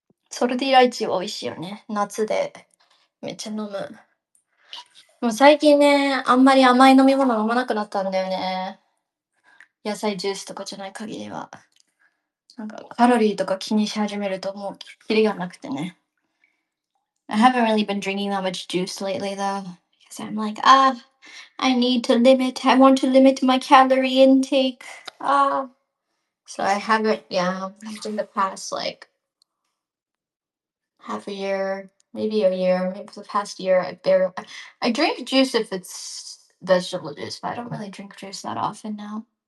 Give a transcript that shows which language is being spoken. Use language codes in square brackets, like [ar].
[en] Salty lychee is delicious, right? In the summer, I drink a lot. But recently, I haven't been drinking sweet drinks. [ja] 野菜ジュースとかじゃない限りはなんかカロリーとか気にし始めるともうキリがなくてね。 [en] I haven't really been drinking that much juice lately though because I'm like, ah, I need to limit, I want to limit my calorie intake, ah. So I haven't, yeah, in the past like half a year, maybe a year, maybe the past year I drink juice if it's vegetable juice, but I don't really drink juice that often now.